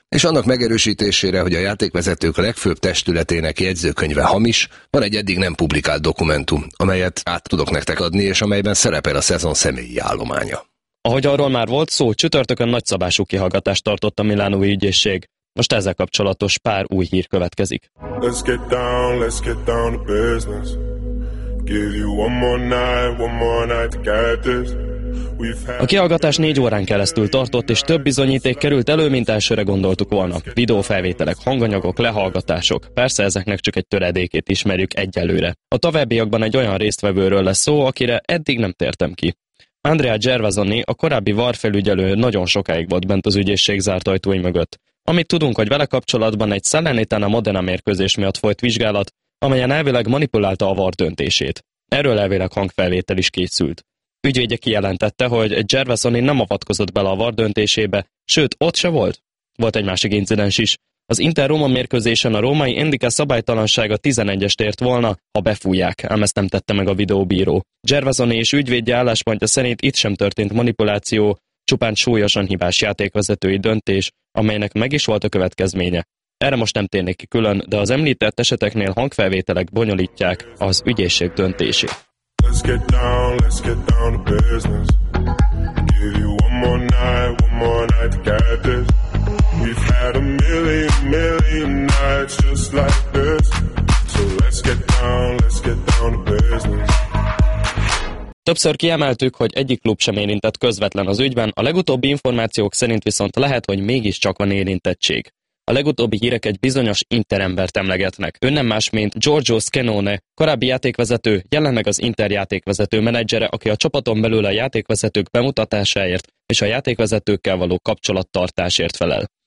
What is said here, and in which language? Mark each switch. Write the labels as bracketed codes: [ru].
[hu] És annak megerősítésére, hogy a játékvezetők legfőbb testületének jegyzőkönyve hamis, van egy eddig nem publikált dokumentum, amelyet át tudok nektek adni, és amelyben szerepel a szezon személyi állománya. Ahogy arról már volt szó, csütörtökön nagyszabású kihallgatást tartott a milánói ügyészség. Most ezzel kapcsolatos pár új hír következik. [en] Let's get down to business. Give you one more night to get this. [hu] A kihallgatás 4 órán keresztül tartott, és több bizonyíték került elő, mint elsőre gondoltuk volna. Videófelvételek, hanganyagok, lehallgatások. Persze ezeknek csak egy töredékét ismerjük egyelőre. A továbbiakban egy olyan résztvevőről lesz szó, akire eddig nem tértem ki. Andrea Gervasoni, a korábbi VAR felügyelő, nagyon sokáig volt bent az ügyészség zárt ajtói mögött. Amit tudunk, hogy vele kapcsolatban egy Salernitana Modena mérkőzés miatt folyt vizsgálat, amelyen elvileg manipulálta a VAR döntését. Erről elvileg hangfelvétel is készült. Ügyvédje kijelentette, hogy Gervasoni nem avatkozott bele a VAR döntésébe, sőt, ott se volt. Volt egy másik incidens is. Az Inter-Róma mérkőzésen a római Endika szabálytalansága 11-est ért volna, ha befújják, ám ezt nem tette meg a videóbíró. Gervasoni és ügyvédje álláspontja szerint itt sem történt manipuláció, csupán súlyosan hibás játékvezetői döntés, amelynek meg is volt a következménye. Erre most nem térnék ki külön, de az említett eseteknél hangfelvételek bonyolítják az ügyészség döntését. [en] Let's get down to business. Give you one more night to get this. We've had a million, million nights just like this. So let's get down to business. [hu] Többször kiemeltük, hogy egyik klub sem érintett közvetlen az ügyben, a legutóbbi információk szerint viszont lehet, hogy mégiscsak van érintettség. A legutóbbi hírek egy bizonyos Inter-embert emlegetnek. Ő nem más, mint Giorgio Scannone, korábbi játékvezető, jelenleg az Inter játékvezető menedzsere, aki a csapaton belül a játékvezetők bemutatásáért és a játékvezetőkkel való kapcsolattartásért felel.